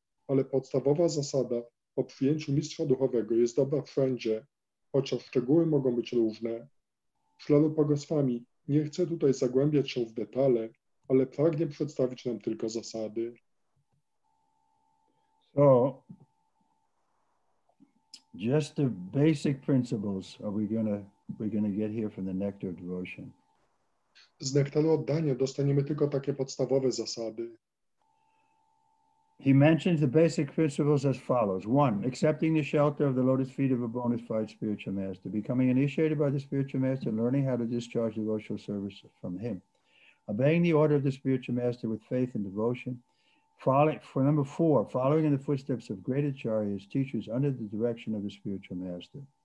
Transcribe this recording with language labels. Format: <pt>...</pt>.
<pl>Ale podstawowa zasada o przyjęciu mistrza duchowego jest dobra wszędzie, chociaż szczegóły mogą być różne. Śrila Rupa Goswami nie chce tutaj zagłębiać się w detale, ale pragnie przedstawić nam tylko zasady.</pl> <en>So. Just the basic principles are we gonna get here from the Nectar of Devotion.</en> <pl>Z nektaru oddania dostaniemy tylko takie podstawowe zasady.</pl> <en>He mentions the basic principles as follows. One, accepting the shelter of the lotus feet of a bona fide spiritual master, becoming initiated by the spiritual master, learning how to discharge devotional service from him, obeying the order of the spiritual master with faith and devotion, following in the footsteps of great acharyas, teachers under the direction of the spiritual master.</en>